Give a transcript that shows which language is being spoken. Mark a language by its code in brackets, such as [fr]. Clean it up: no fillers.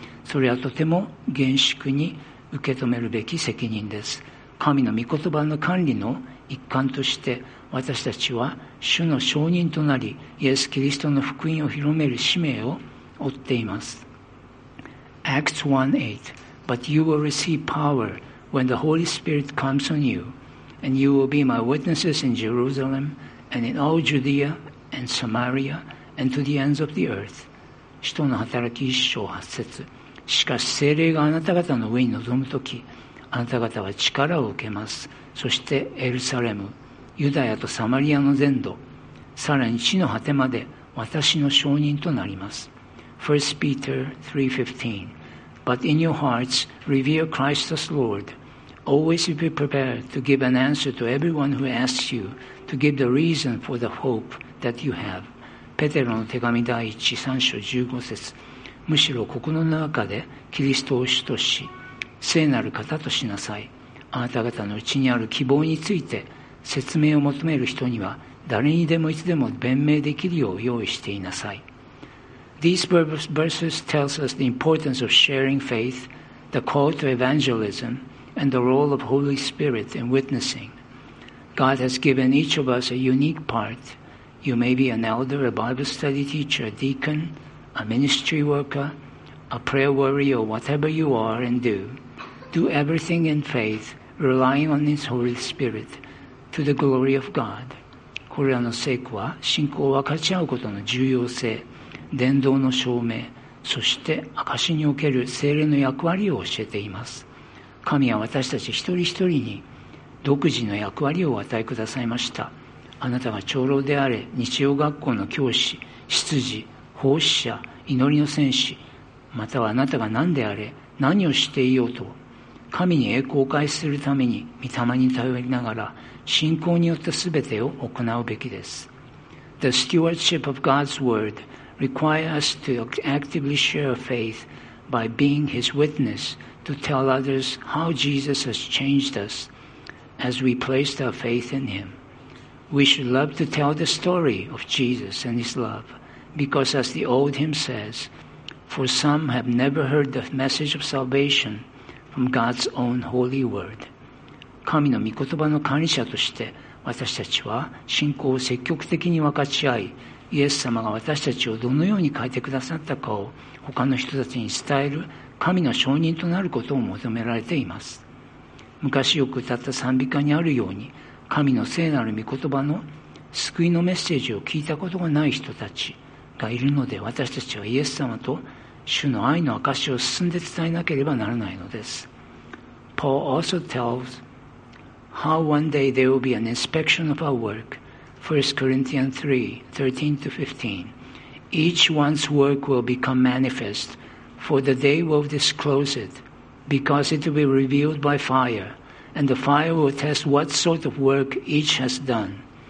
[ja] それはとても厳粛に受け止めるべき責任です。神の御言葉の管理の一環として、私たちは主の証人となり、イエス・キリストの福音を広める使命を負っています。 [en] Acts 1:8 But you will receive power when the Holy Spirit comes on you, and you will be my witnesses in Jerusalem, and in all Judea and Samaria, and to the ends of the earth. [ja] 使徒の働き一章八節。しかし聖霊があなた方の上に臨むとき、あなた方は力を受けます。そしてエルサレム、ユダヤとサマリアの全土、さらに地の果てまで私の証人となります。 [en] 1 Peter 3:15 But in your hearts revere Christ as Lord. Always be prepared to give an answer to everyone who asks you to give the reason for the hope that you have. [ja] ペテロの手紙第1、3章15節。むしろ心の中でキリストを主とし、聖なる方としなさい。あなた方のうちにある希望について説明を求める人には誰にでもいつでも弁明できるよう用意していなさい。 [en] These verses tells us the importance of sharing faith, the call to evangelism, and the role of Holy Spirit in witnessing. God has given each of us a unique part. You may be an elder, a Bible study teacher, a deacon, a ministry worker, a prayer warrior, whatever you are and do. Do everything in faith, relying on His Holy Spirit, to the glory of God. [ja] これらの聖句は、信仰を分かち合うことの重要性、伝道の証明、そして証しにおける聖霊の役割を教えています。神は私たち一人一人に独自の役割を与えくださいました。あなたが長老であれ、日曜学校の教師、執事、奉仕者、祈りの戦士、またはあなたが何であれ、何をしていようと、神に栄光を返するために御霊に頼りながら信仰によってすべてを行うべきです。 [en] The stewardship of God's word requires us to actively share faith by being his witness to tell others how Jesus has changed us as we place our faith in him. We should love to tell the story of Jesus and his love because as the old hymn says, for some have never heard the message of salvation. From God's own holy word. [ja] 神の御言葉の管理者として私たちは信仰を積極的に分かち合い、イエス様が私たちをどのように変えてくださったかを他の人たちに伝える神の証人となることを求められています。昔よく歌った賛美歌にあるように、神の聖なる御言葉の救いのメッセージを聞いたことがない人たちがいるので、私たちはイエス様と主の愛の証を進んで伝えなければならないのです。 [en] Paul also tells how one day there will be an inspection of our work, 1 Corinthians 3:13-15. Each one's work will become manifest, for the day will disclose it, because it will be revealed by fire, and the fire will test what sort of work each has done.